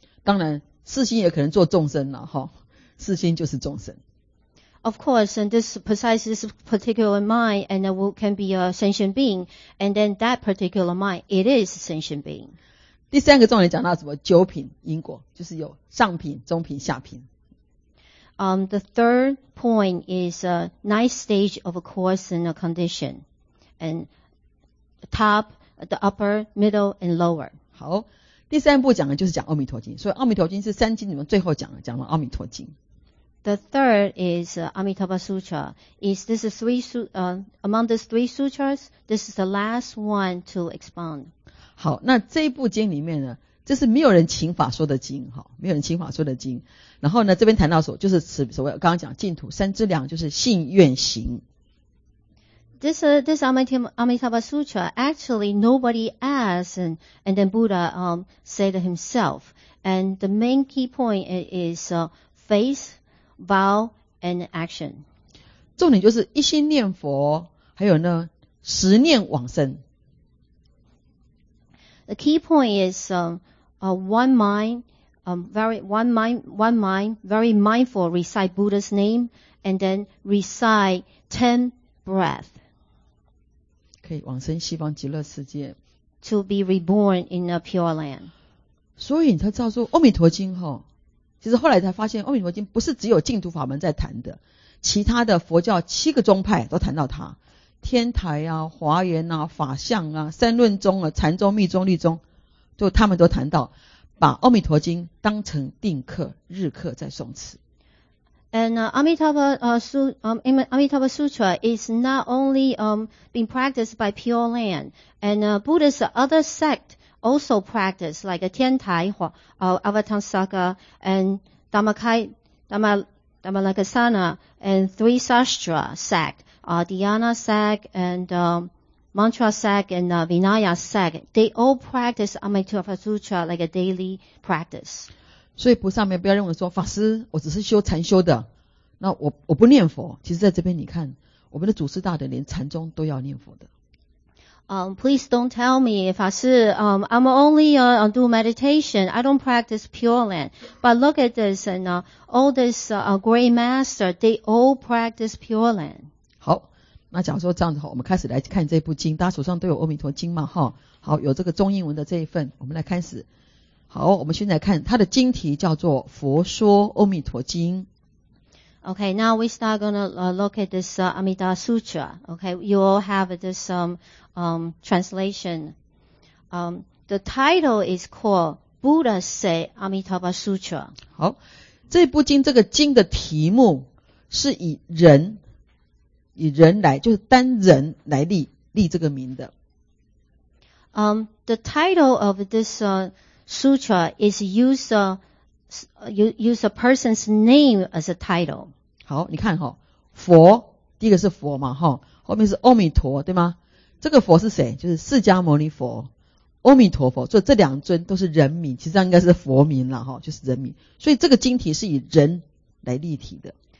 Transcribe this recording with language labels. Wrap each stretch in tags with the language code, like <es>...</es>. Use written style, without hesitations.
<zh>当然，是心也可能做众生了哈，是心就是众生。</zh> <en>Of course, and this precisely this particular mind, and it can be a sentient being, and then that particular mind, it is a sentient being.</en> <zh>第三个重点讲到什么？九品因果，就是有上品、中品、下品。</zh> <en>The third point is a ninth stage of a course in a condition, and top, the upper, middle, and lower.</en> <zh>好，第三步讲的就是讲阿弥陀经，所以阿弥陀经是三经里面最后讲的，讲了阿弥陀经。</zh> <en>The third is Amitabha Sutra. Is this a three among these three sutras? This is the last one to expound.</en> <zh>好，那这一部经里面呢，这是没有人请法说的经，哈，没有人请法说的经。然后呢，这边谈到所就是此所谓刚刚讲净土三资粮，就是信愿行。</zh> <en>This Amitabha Sutra actually nobody asked, and then Buddha said himself. And the main key point is faith. Vow and action.</en> <zh>重点就是一心念佛，还有呢，十念往生。</zh> <en>The key point is one mind, very mindful, recite Buddha's name, and then recite 10 breath.</en> <zh>可以往生西方极乐世界。</zh> <en>To be reborn in a pure land.</en> <zh>所以你才知道说，阿弥陀经哈。其实后来才发现阿弥陀经不是只有净土法门在谈的，其他的佛教七个宗派都谈到它，天台啊、华严啊、法相啊、三论宗啊、禅宗、密宗、律宗，就他们都谈到把阿弥陀经当成定课、日课在诵持。</zh> <en>And Amitabha Sutra is not only being practiced by Pure Land and Buddhist other sect. Also practice like a Tiantai, Avatamsaka, and Dhammalakasana, and three Sastra sect, Dhyana sect, and Mantra sect, and Vinaya sect. They all practice Amitabha Sutra like a daily practice.</en> <zh>所以菩萨们不要认为说法师，我只是修禅修的，那我不念佛。其实在这边你看，我们的祖师大德连禅宗都要念佛的。</zh> <en>Please don't tell me, 法师, I'm only do meditation. I don't practice Pure Land. But look at this, and all these great masters, they all practice Pure Land.</en> <zh>好, 那假如说这样子我们开始来看这部经，大家手上都有阿弥陀经嘛，齁，好，有这个中英文的这一份，我们来开始。好，我们先来看它的经题叫做佛说阿弥陀经。</zh> <en>Okay, now we start gonna look at this Amida Sutra. Okay, you all have this translation. The title is called Buddha Say Amitabha Sutra.</en> <zh>好，这部经这个经的题目是以人来，就是单人来立这个名的。</zh> <en>The title of this sutra is use a person's name as a title.</en> <zh>好，你看哈，佛，第一个是佛嘛，哈，后面是阿弥陀，对吗？这个佛是谁？就是释迦牟尼佛、阿弥陀佛，所以这两尊都是人名，其实应该是佛名啦，哈，就是人名。所以这个经题是以人来立题的。</zh>